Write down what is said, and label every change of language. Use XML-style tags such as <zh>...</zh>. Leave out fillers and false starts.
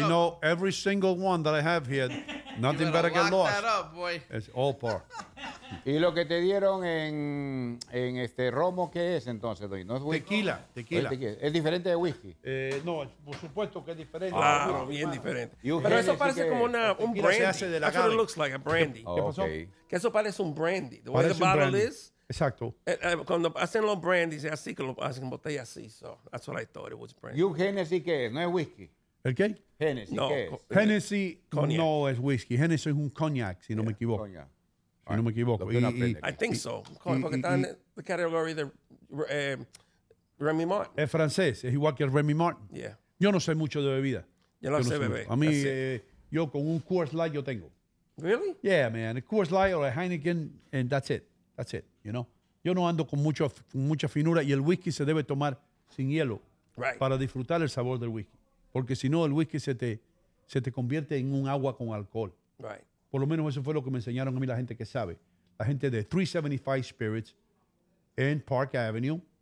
<en>I know every single one that I have here. Nothing better get lost. Lock that up, boy. It's all part.</en> <es>Y lo que te dieron en este romo, ¿qué es entonces? ¿No es whisky? Tequila. ¿Es diferente de whisky? No, por supuesto que es diferente. Ah, wow, bien diferente. Pero eso parece como un brandy. Se hace de la</es> <en>That's what it looks like, a brandy.</en> <es>¿Qué pasó? Que eso parece un brandy.</es> <en>The way the bottle is.</en> <es>Exacto. Cuando hacen los brandies, así que lo hacen botellas así.</es> <en>So, that's what I thought it was brandy.</en> <es>¿Y un Hennessy qué es? ¿No es whisky? ¿El qué? Hennessy, no, ¿qué es? Hennessy cognac. No es whisky. Hennessy es un cognac, si no me equivoco. Cognac. Si no me equivoco.</es> <en>I think so.</en> <es>Porque está en la categoría de Remy Martin. Es francés. Es igual que Remy Martin. Yeah. Yo no sé mucho de bebida. Yo no sé beber. A mí, yo con un Coors Light yo tengo.</es> <en>Really? Yeah, man. A Coors Light or a Heineken and that's it. That's it, you know.</en> <es>Yo no ando con mucha finura y el whisky se debe tomar sin hielo</es> <en>right.</en> <es>Para disfrutar el sabor del whisky. Porque si no, el whisky se te convierte en un agua con alcohol.</es> <en>Right.</en> <es>Por lo menos eso fue lo que me enseñaron a mí la gente que sabe. La gente de 375 Spirits en Park Avenue,</es>